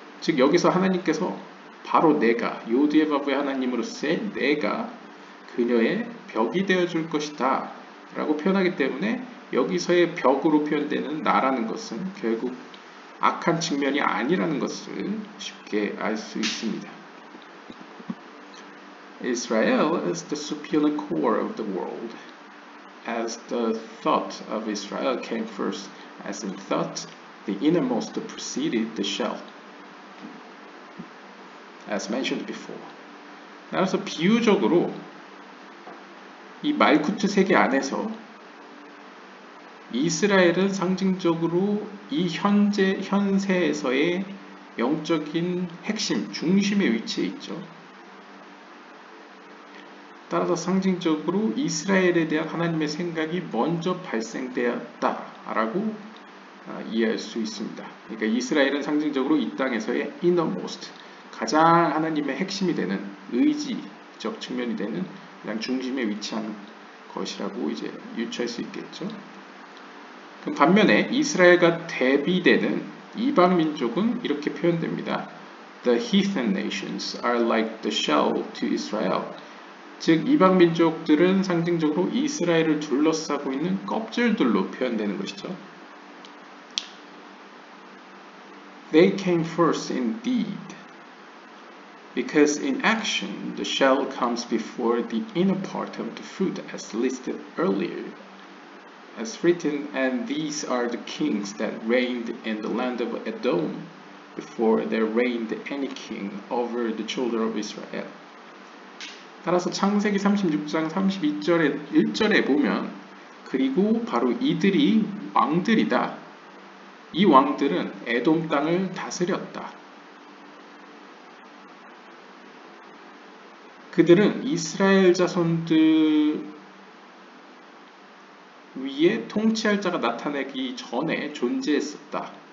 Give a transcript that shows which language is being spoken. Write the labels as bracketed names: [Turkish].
[Korean] 즉 여기서 하나님께서 바로 내가 요드의 바부의 하나님으로서의 내가 그녀의 벽이 되어줄 것이다 라고 표현하기 때문에 여기서의 벽으로 표현되는 나라는 것은 결국 악한 측면이 아니라는 것을 쉽게 알 수 있습니다. [English] Israel is the superior core of the world. As the thought of Israel came first, as in thought, the innermost preceded the shell, as mentioned before. [Korean] 따라서 비유적으로 이 말쿠트 세계 안에서 이스라엘은 상징적으로 이 현세에서의 영적인 핵심, 중심의 위치에 있죠. 따라서 상징적으로 이스라엘에 대한 하나님의 생각이 먼저 발생되었다라고 이해할 수 있습니다. 그러니까 이스라엘은 상징적으로 이 땅에서의 innermost, 가장 하나님의 핵심이 되는 의지적 측면이 되는 그냥 중심에 위치한 것이라고 이제 유추할 수 있겠죠. 그럼 반면에 이스라엘과 대비되는 이방 민족은 이렇게 표현됩니다. [English] The heathen nations are like the shell to Israel. [Korean] 즉 이방 민족들은 상징적으로 이스라엘을 둘러싸고 있는 껍질들로 표현되는 것이죠. [English] They came first indeed. Because in action, the shell comes before the inner part of the fruit as listed earlier. As written, and these are the kings that reigned in the land of Edom before there reigned any king over the children of Israel. [Korean] 따라서 창세기 36장 32절에 1절에 보면 그리고 바로 이들이 왕들이다. 이 왕들은 에돔 땅을 다스렸다. 그들은 이스라엘 자손들 위에 통치할 자가 나타나기 전에 존재했었다.